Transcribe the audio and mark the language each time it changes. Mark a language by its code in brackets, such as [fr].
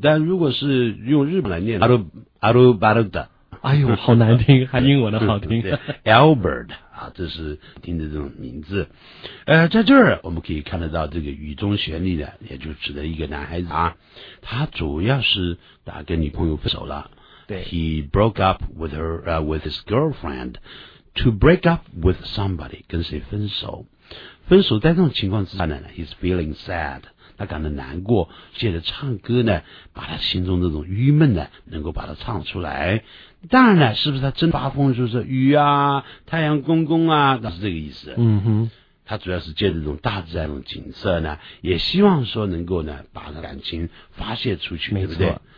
[zh] 但如果是用日本来念Aru Baruda，哎呦，好难听，还英文的好听。 Albert 啊，这是听着这种名字。在这儿我们可以看得到这个雨中旋律的，也就指的一个男孩子啊，他主要是打跟女朋友分手了。对 [en] ，He broke up with her with his girlfriend. To break up with somebody， [zh] 跟谁分手？分手在这种情况之下呢 ， [en] He's feeling sad。 [zh] 他感到难过，借着唱歌呢，把他心中这种郁闷呢，能够把它唱出来。当然了，是不是他真发疯就是雨啊，太阳公公啊，那是这个意思。嗯哼，他主要是借着这种大自然的景色呢，也希望说能够呢，把感情发泄出去，对不对？